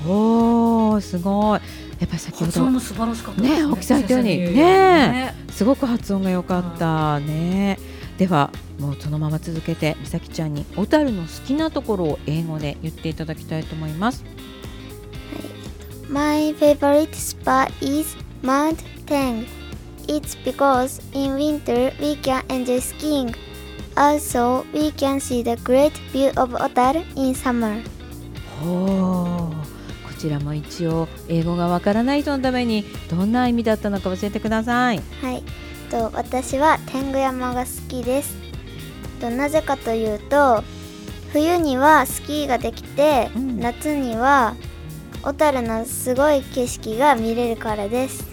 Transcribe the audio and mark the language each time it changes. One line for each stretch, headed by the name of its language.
Japanese: おー、すごい。やっぱ先ほど発音も素晴らしかったね、大きさ言ったようにね、すごく発音が良かった、うん、ね。ではもうそのまま続けて美咲ちゃんに小樽の好きなところを英語で言っていただきたいと思います。
English: My favorite spot is Mount Tang. It's because in winter we can enjoy skiing. Also we can see the great view of Otaru in summer.
Japanese: ほー、こちらも一応英語がわからない人のためにどんな意味だったのか教えてください。はい、私は天狗山が好きです。なぜかというと、冬にはスキーができて、夏には小樽のすごい景色が見れるからです。